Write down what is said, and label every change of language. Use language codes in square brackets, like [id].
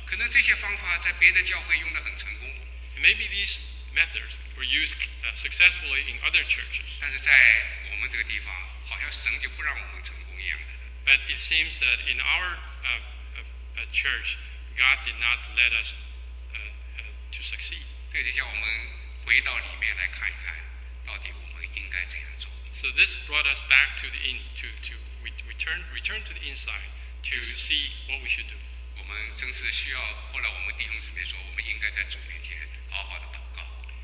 [zh] 可能这些方法在别的教会用得很成功。 [en] And maybe these methods were used successfully in other churches. [zh] 但是在我们这个地方，好像神就不让我们成功一样的。 [en] But it seems that in our church, God did not let us. To succeed. [zh] 这就叫我们回到里面来看一看，到底我们应该怎样做。 [en] So this brought us back to the in, to return to the inside to see what we should do. [zh] 我们真是需要。后来我们弟兄姊妹说，我们应该在主面前好好的祷告。